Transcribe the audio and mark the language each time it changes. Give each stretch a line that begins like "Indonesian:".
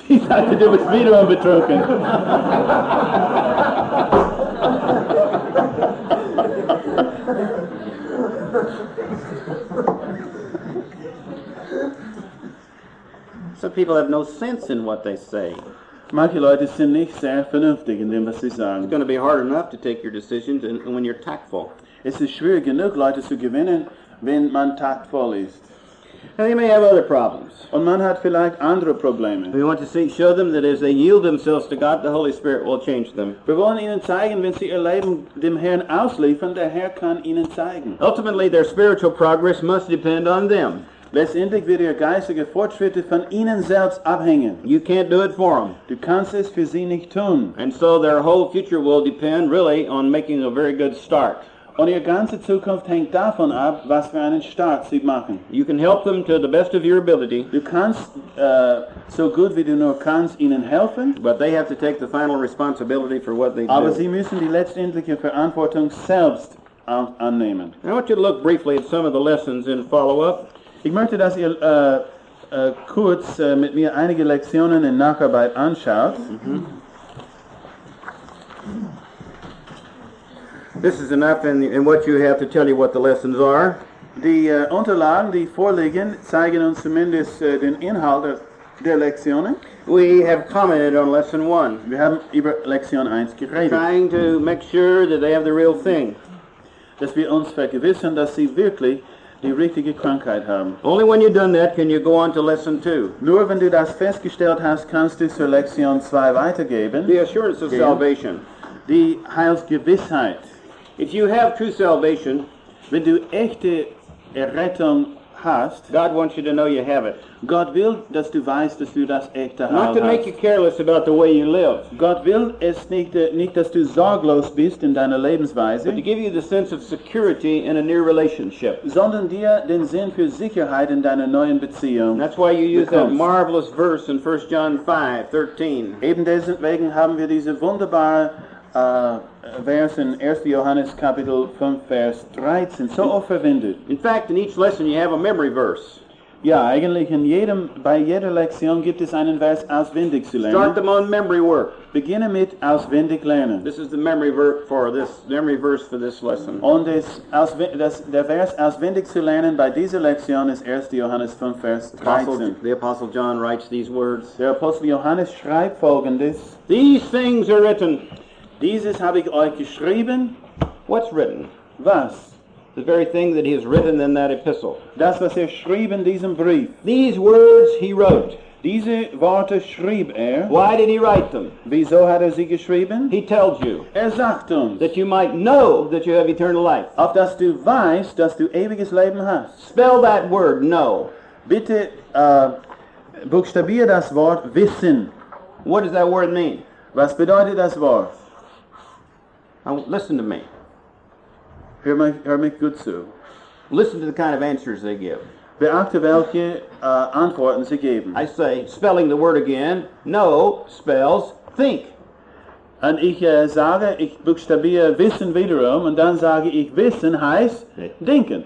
German: Sie sagte, du bist wieder betrunken.
English: Some people have no sense in what they say.
German: Manche Leute sind nicht sehr vernünftig in dem, was sie sagen.
English: It's going to be hard enough to take your decisions and when you're tactful.
German: Es ist schwierig genug, Leute zu gewinnen, wenn man tactful ist.
English: And they may have other problems.
German: Und man hat vielleicht andere Probleme.
English: We want to see, show them that as they yield themselves to God, the Holy Spirit will change them.
German: Wir wollen ihnen zeigen, wenn sie ihr Leben dem Herrn ausliefern, der Herr kann ihnen zeigen.
English: Ultimately, their spiritual progress must depend on them.
German: Letztendlich wird ihr geistiger Fortschritt von ihnen selbst abhängen.
English: You can't do it for them.
German: Du kannst es für sie nicht tun.
English: And so their whole future will depend really on making a very good start.
German: Und ihre ganze Zukunft hängt davon ab, was für einen Start sie machen.
English: You can help them to the best of your ability.
German: Du kannst so gut wie du nur kannst ihnen helfen.
English: But they have to take the final responsibility for what they
German: aber Aber sie müssen die letztendliche Verantwortung selbst annehmen.
English: I want you to look briefly at some of the lessons in follow-up.
German: Ich möchte, dass ihr kurz mit mir einige Lektionen in Nacharbeit anschaut.
English: This is enough in what you have to tell you what the lessons are.
German: Die Unterlagen, die vorliegen, zeigen uns zumindest den Inhalt der Lektionen.
English: We have commented on lesson one.
German: Wir haben über Lektion 1 geredet.
English: Trying to make sure that they have the real thing.
German: Dass wir uns vergewissern, dass sie wirklich die richtige Krankheit haben.
English: Only when you've done that can you go on to lesson two.
German: Nur wenn du das festgestellt hast, kannst du zur Lektion 2 weitergeben.
English: The assurance of salvation.
German: Die Heilsgewissheit.
English: If you have true salvation,
German: wenn du echte Errettung hast,
English: God wants you to know you have it.
German: God will, dass du weißt, dass du das echte Heil hast.
English: Not to make you careless about the way you live.
German: God will es nicht, dass du sorglos bist in deiner Lebensweise.
English: But to give you the sense of security in a near relationship.
German: Sondern dir den Sinn für Sicherheit in deiner neuen Beziehung.
English: That's why you use that marvelous verse in 1 John 5, 13.
German: Eben deswegen haben wir diese wunderbare Vers in 1. Johannes Kapitel 5, Vers 13, so oft verwendet.
English: In fact, in each lesson you have a memory verse.
German: Ja, eigentlich in jedem, bei jeder Lektion gibt es einen Vers auswendig zu lernen.
English: Start them on memory work.
German: Beginne mit auswendig lernen.
English: This is the memory verse for this lesson.
German: Und der Vers auswendig zu lernen bei dieser Lektion ist 1. Johannes 5, Vers 13.
English: The Apostle John writes these words.
German: Der Apostel Johannes schreibt folgendes.
English: These things are written.
German: Dieses habe ich euch geschrieben.
English: What's written?
German: Was?
English: The very thing that he has written in that epistle.
German: Das, was schrieb in diesem Brief.
English: These words he wrote.
German: Diese Worte schrieb
English: Why did he write them?
German: Wieso hat sie geschrieben?
English: He tells you.
German: Sagt uns.
English: That you might know that you have eternal life.
German: Auf dass du weißt, dass du ewiges Leben hast.
English: Spell that word, know.
German: Bitte buchstabier das Wort wissen.
English: What does that word mean?
German: Was bedeutet das Wort?
English: Now, listen to me.
German: Hör mich gut zu.
English: Listen to the kind of answers they give.
German: Beachte, welche Antworten sie geben.
English: I say, spelling the word again, no spells think.
German: Und ich sage, ich buchstabiere Wissen wiederum, und dann sage ich, Wissen heißt denken.